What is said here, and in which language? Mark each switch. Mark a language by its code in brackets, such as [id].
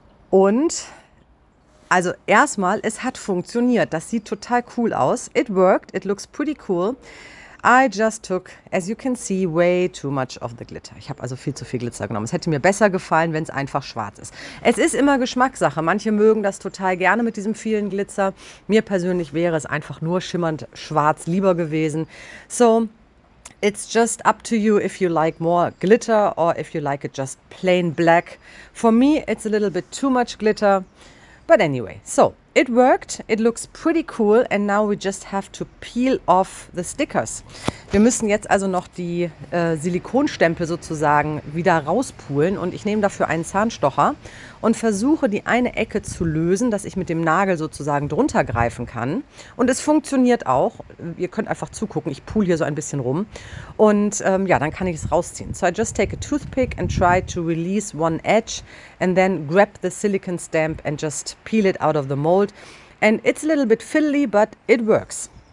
[de] Und also erstmal, es hat funktioniert. Das sieht total cool aus. [en] It worked. It looks pretty cool. I just took, as you can see, way too much of the glitter. [de] Ich habe also viel zu viel Glitzer genommen. Es hätte mir besser gefallen, wenn es einfach schwarz ist. Es ist immer Geschmackssache. Manche mögen das total gerne mit diesem vielen Glitzer. Mir persönlich wäre es einfach nur schimmernd schwarz lieber gewesen. [en] So, it's just up to you if you like more glitter or if you like it just plain black. For me, it's a little bit too much glitter. But anyway, so, it worked, it looks pretty cool and now we just have to peel off the stickers. [de] Wir müssen jetzt also noch die Silikonstempel sozusagen wieder rauspulen und ich nehme dafür einen Zahnstocher und versuche die eine Ecke zu lösen, dass ich mit dem Nagel sozusagen drunter greifen kann. Und es funktioniert auch, ihr könnt einfach zugucken, ich pull hier so ein bisschen rum und ja, dann kann ich es rausziehen. [en] So I just take a toothpick and try to release one edge and then grab the silicone stamp and just peel it out of the mold. And it's a little bit fiddly, but it works.